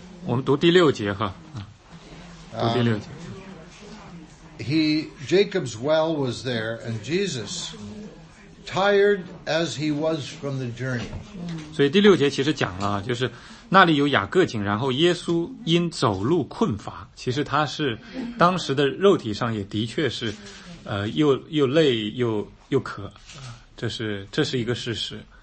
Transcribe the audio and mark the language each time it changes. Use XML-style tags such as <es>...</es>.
<zh>我们读第六节哈，读第六节。</zh> <en>Jacob's well was there, and Jesus, tired as he was from the journey.</en> <zh>所以第六节其实讲了，就是那里有雅各井，然后耶稣因走路困乏，其实他是当时的肉体上也的确是，又累又渴，这是一个事实。</zh>